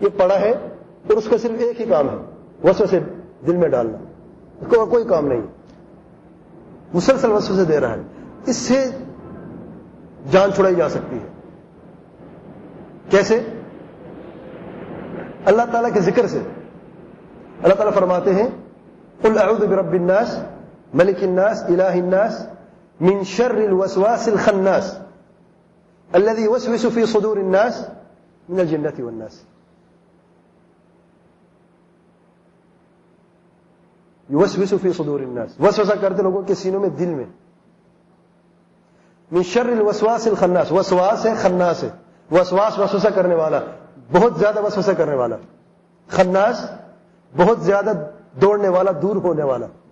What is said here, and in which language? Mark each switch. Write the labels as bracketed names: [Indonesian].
[Urdu] یہ پڑا ہے اور اس کا صرف ایک ہی کام ہے وسوسے دل میں ڈالنا، اس کو کوئی کام نہیں، مسلسل وسوسے دے رہا ہے، اس سے جان چھڑائی جا سکتی ہے. کیسے؟ اللہ تعالیٰ کے ذکر سے. اللہ تعالیٰ فرماتے ہیں [Arabic] قل اعوذ برب الناس ملک الناس الہ الناس من شر الوسواس الخناس الذي يوسوس في صدور الناس من الجنة والناس. يوسوس في صدور الناس، [Urdu] وسوسہ کرتے لوگوں کے سینوں میں، دل میں. [Arabic] من شر الوسواس الخناس، [Urdu] وسواس ہے خناس ہے، وسواس وسوسہ کرنے والا، بہت زیادہ وسوسہ کرنے والا. خناس بہت زیادہ دوڑنے والا، دور ہونے والا.